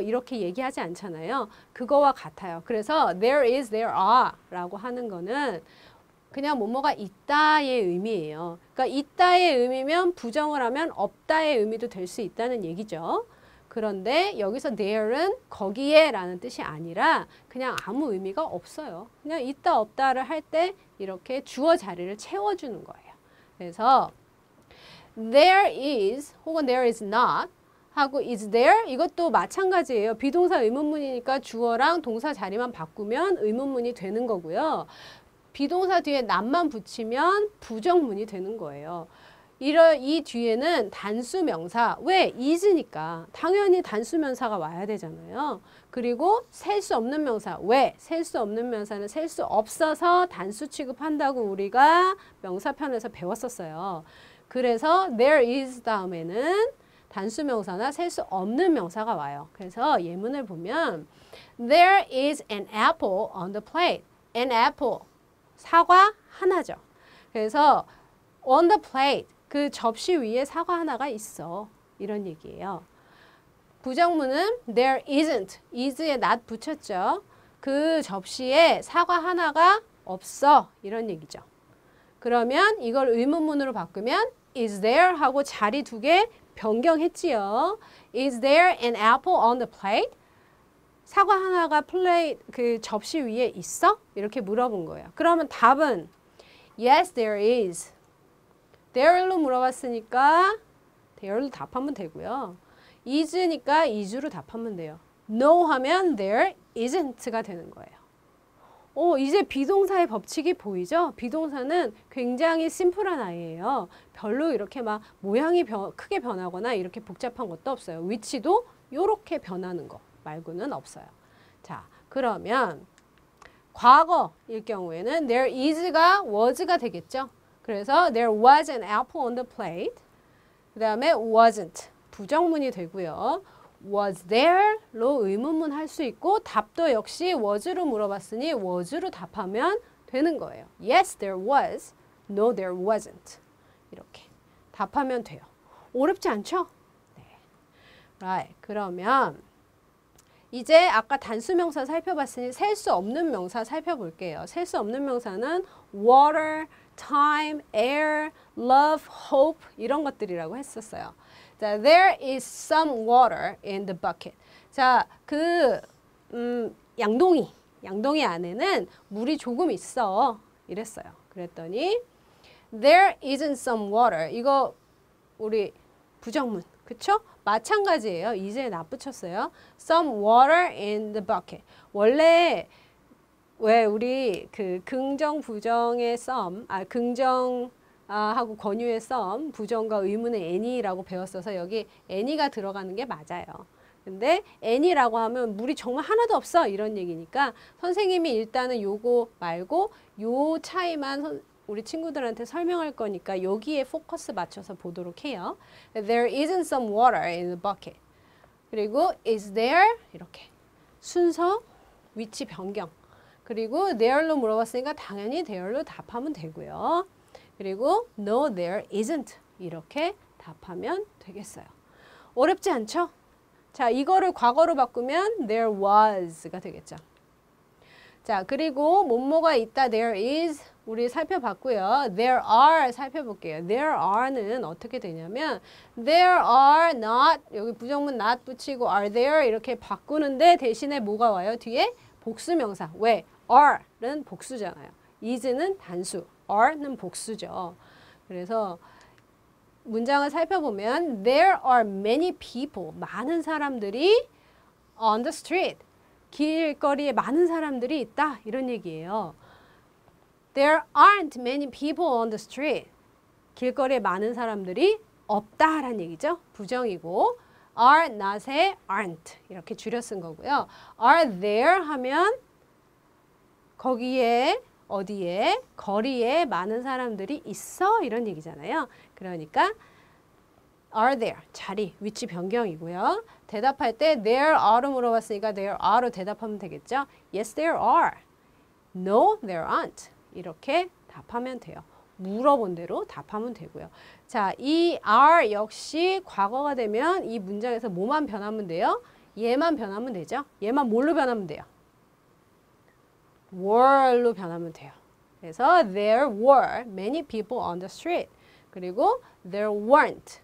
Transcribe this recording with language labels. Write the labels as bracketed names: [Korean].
[Korean] 이렇게 얘기하지 않잖아요. 그거와 같아요. 그래서 there is, there are라고 하는 거는 그냥 뭐뭐가 있다의 의미예요. 그러니까 있다의 의미면 부정을 하면 없다의 의미도 될수 있다는 얘기죠. 그런데 여기서 there은 거기에라는 뜻이 아니라 그냥 아무 의미가 없어요. 그냥 있다 없다를 할때 이렇게 주어 자리를 채워주는 거예요. 그래서 there is 혹은 there is not 하고 is there 이것도 마찬가지예요. 비동사 의문문이니까 주어랑 동사 자리만 바꾸면 의문문이 되는 거고요. 비동사 뒤에 not만 붙이면 부정문이 되는 거예요. 이런 이 뒤에는 단수 명사. 왜? is니까. 당연히 단수 명사가 와야 되잖아요. 그리고 셀수 없는 명사. 왜? 셀수 없는 명사는 셀수 없어서 단수 취급한다고 우리가 명사편에서 배웠었어요. 그래서 there is 다음에는 단수 명사나 셀수 없는 명사가 와요. 그래서 예문을 보면 [English] there is an apple on the plate. [Korean] an apple. 사과 하나죠. 그래서 [English] on the plate. [Korean] 그 접시 위에 사과 하나가 있어. 이런 얘기예요. 부정문은 there isn't, is에 not 붙였죠. 그 접시에 사과 하나가 없어. 이런 얘기죠. 그러면 이걸 의문문으로 바꾸면 is there 하고 자리 두개 변경했지요. [English] Is there an apple on the plate? [Korean] 사과 하나가 그 접시 위에 있어? 이렇게 물어본 거예요. 그러면 답은 [English] yes, there is. [Korean] There로 물어봤으니까 there로 답하면 되고요. is니까 is로 답하면 돼요. no 하면 there isn't가 되는 거예요. 이제 비동사의 법칙이 보이죠? 비동사는 굉장히 심플한 아이예요. 별로 이렇게 막 모양이 크게 변하거나 이렇게 복잡한 것도 없어요. 위치도 요렇게 변하는 거 말고는 없어요. 자, 그러면 과거일 경우에는 there is가 was가 되겠죠? [English] 그래서 there was an apple on the plate. [Korean] 그 다음에 wasn't. 부정문이 되고요. Was there?로 의문문 할수 있고 답도 역시 was로 물어봤으니 was로 답하면 되는 거예요. [English] Yes, there was. No, there wasn't. [Korean] 이렇게 답하면 돼요. 어렵지 않죠? 네. [English] Right. [Korean] 그러면 이제 아까 단수 명사 살펴봤으니 셀수 없는 명사 살펴볼게요. 셀수 없는 명사는 water, time, air, love, hope 이런 것들이라고 했었어요. [English] 자, there is some water in the bucket. [Korean] 자, 그 양동이 안에는 물이 조금 있어. 이랬어요. 그랬더니 [English] there isn't some water. [Korean] 이거 우리 부정문. 그쵸? 마찬가지예요. 이제 나붙였어요. [English] Some water in the bucket. [Korean] 원래 왜 우리 그 긍정 부정의 some 아 긍정 하고 권유의 some 부정과 의문의 any라고 배웠어서 여기 any가 들어가는 게 맞아요. 근데 any라고 하면 물이 정말 하나도 없어 이런 얘기니까 선생님이 일단은 요거 말고 요 차이만 우리 친구들한테 설명할 거니까 여기에 포커스 맞춰서 보도록 해요. [English] There isn't some water in the bucket. [Korean] 그리고 [English] is there? [Korean] 이렇게 순서 위치 변경. 그리고 there로 물어봤으니까 당연히 there로 답하면 되고요. 그리고 [English] no, there isn't. [Korean] 이렇게 답하면 되겠어요. 어렵지 않죠? 자, 이거를 과거로 바꾸면 there was가 되겠죠. 자, 그리고 뭐뭐가 있다, there is. 우리 살펴봤고요. [English] There are [Korean] 살펴볼게요. There are는 어떻게 되냐면 there are not 여기 부정문 not 붙이고 are there 이렇게 바꾸는데 대신에 뭐가 와요? 뒤에 복수명사. 왜? are는 복수잖아요. is는 단수. are는 복수죠. 그래서 문장을 살펴보면 [English] there are many people [Korean] 많은 사람들이 [English] on the street [Korean] 길거리에 많은 사람들이 있다 이런 얘기예요. [English] There aren't many people on the street. [Korean] 길거리에 많은 사람들이 없다라는 얘기죠. 부정이고 are not에 aren't 이렇게 줄여 쓴 거고요. Are there 하면 거기에 어디에 거리에 많은 사람들이 있어 이런 얘기잖아요. 그러니까 are there 자리 위치 변경이고요. 대답할 때 there are로 물어봤으니까 there are로 대답하면 되겠죠. [English] Yes, there are. No, there aren't. 이렇게 답하면 돼요. [Korean] 물어본 대로 답하면 되고요. 자, 이 are 역시 과거가 되면 이 문장에서 뭐만 변하면 돼요? 얘만 변하면 되죠. 얘만 뭘로 변하면 돼요? were로 변하면 돼요. 그래서 [English] there were many people on the street. [Korean] 그리고 [English] there weren't.